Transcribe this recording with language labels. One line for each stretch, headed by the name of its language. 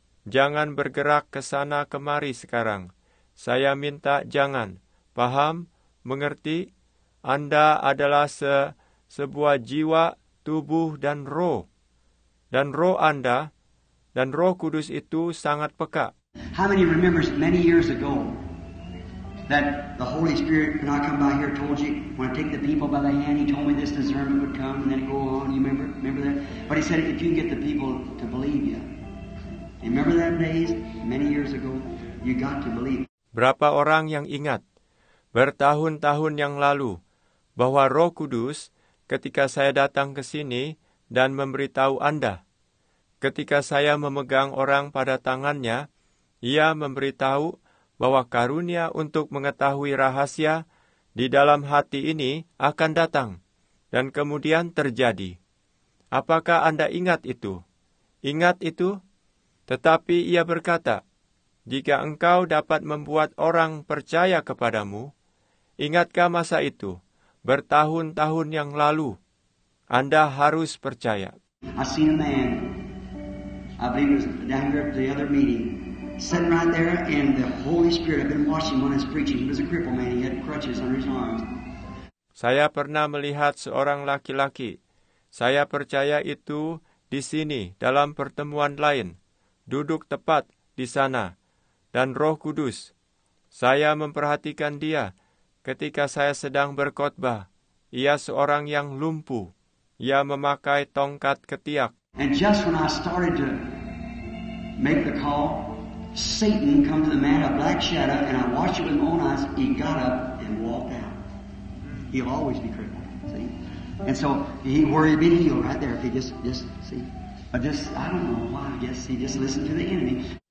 Indonesian: Jangan bergerak ke sana kemari sekarang. Saya minta jangan. Paham? Mengerti? Anda adalah sebuah jiwa, tubuh, dan roh. Dan roh Anda, dan Roh Kudus itu sangat peka.
English: How many remembers many years ago that the Holy Spirit, when I come by here, told you, when I take the people by the hand, he told me this discernment would come, and then it go on, you remember? Remember that? But he said, if you can get the people to believe you. Remember that days, many years ago, you got to believe.
Indonesian: Berapa orang yang ingat bertahun-tahun yang lalu bahwa Roh Kudus ketika saya datang ke sini dan memberitahu Anda, ketika saya memegang orang pada tangannya, ia memberitahu bahwa karunia untuk mengetahui rahasia di dalam hati ini akan datang dan kemudian terjadi. Apakah Anda ingat itu? Ingat itu? Tetapi ia berkata, jika engkau dapat membuat orang percaya kepadamu, ingatkah masa itu, bertahun-tahun yang lalu, Anda harus percaya.
English: I seen a man, I believe it was down here at the other meeting, sitting right there, and the Holy Spirit, I've been watching when he was preaching, he was a crippled man, he had crutches under his arms.
Indonesian: Saya pernah melihat seorang laki-laki, saya percaya itu di sini, dalam pertemuan lain, duduk tepat di sana, dan Roh Kudus. Saya memperhatikan dia ketika saya sedang berkhotbah. Ia seorang yang lumpuh. Ia memakai tongkat ketiak.
English: And just when I started to make the call, Satan come to the man, a black shadow, and I watched it with my own eyes. He got up and walked out. He'll always be crippled, see? And so he worried being healed right there. If he just see. But just, I don't know why, I guess he just listened to the enemy.